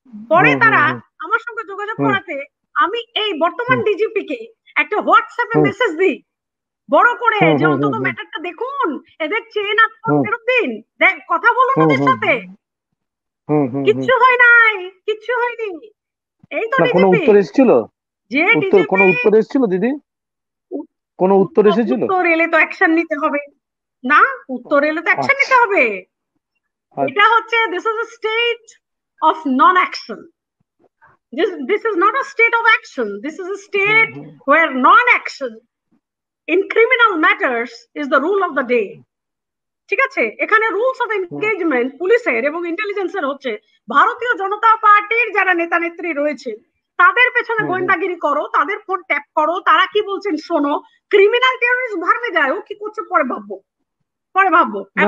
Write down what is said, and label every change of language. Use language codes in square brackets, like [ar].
[bn] পরে তারা আমার সঙ্গে যোগাযোগ করাতে আমি এই বর্তমান ডিজিপি কে একটা হোয়াটসঅ্যাপে মেসেজ দিই বড় করে, যে অন্তত ম্যাটারটা দেখুন, এদের চেয়ে না ফেরত দিন, দেখ কথা বলুন ওদের সাথে, কিচ্ছু হয় নাই, কিচ্ছু হয়নি। এই তো ডিজিপি, কোনো উত্তর এসেছিল? যে ডিজিপি, কোনো উত্তর এসেছিল দিদি? কোনো উত্তর এসেছিল? উত্তর এলে তো অ্যাকশন নিতে হবে, না উত্তর এলে তো অ্যাকশন নিতে হবে, এটা হচ্ছে [en] This is a state of non action. this is not a state of action. This is a state where non-action in criminal matters is the rule of the day. [bn] ঠিক আছে, এখানে রুলস অফ এনগেজমেন্ট পুলিশের এবং ইন্টেলিজেন্সের হচ্ছে ভারতীয় জনতা পার্টির যারা নেতা নেত্রী রয়েছে তাদের পেছনে গোয়েন্দাগিরি করো, তাদের ফোন ট্যাপ করো, তারা কি বলছেন শোনো, ক্রিমিনাল টেরোরিস্ট ভারমে যায় ও কি করছে পরে ভাববো, পরে ভাববো।